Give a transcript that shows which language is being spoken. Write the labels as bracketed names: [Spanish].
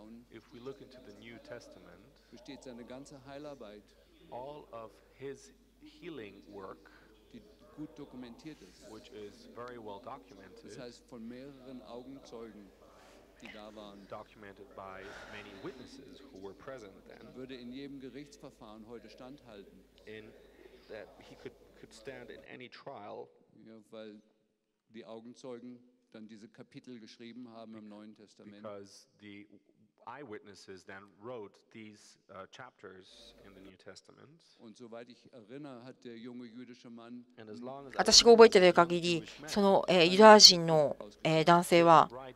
[English] If we look into the New Testament, [German] besteht seine ganze Heilarbeit, [English] all of his healing work, [German] die gut dokumentiert ist, [English] which is very well documented, [German] das heißt von mehreren Augenzeugen, die da waren, [English] documented by many witnesses who were present then, [German] würde in jedem Gerichtsverfahren heute standhalten. [English] In that he could stand in any trial, [German] ja, weil die Augenzeugen dann diese Kapitel geschrieben haben im Neuen Testament. [English] Because the eyewitnesses then wrote these chapters in the New Testament. [German] Und soweit ich erinnere, hat der junge jüdische Mann, [Japanese] 私が覚えている限り、そのユダヤ人の男性は、